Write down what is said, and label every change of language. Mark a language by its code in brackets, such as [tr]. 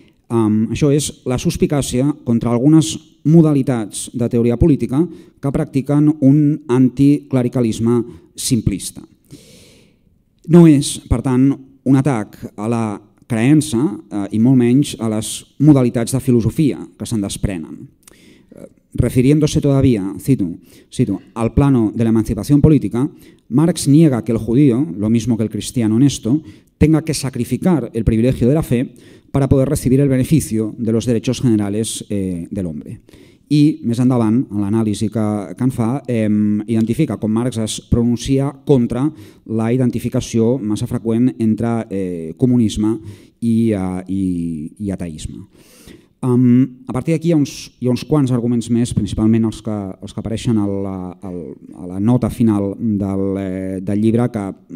[ca] Això és la suspicàcia contra algunes modalitats de teoria política que practiquen un anticlericalisme simplista. No és, per tant, un atac a la creença i molt menys a les modalitats de filosofia que se'n desprenen. [es] Refiriéndose todavía, cito, al plano de la emancipación política, Marx niega que el judío, lo mismo que el cristiano honesto, tenga que sacrificar el privilegio de la fe para poder recibir el beneficio de los derechos generales del hombre. [ca] I més endavant, en l'anàlisi que en fa, identifica com Marx es pronuncia contra la identificació massa freqüent entre comunisme i ateisme. A partir d'aquí hi ha uns quants arguments més, principalment els que apareixen a la nota final del llibre, que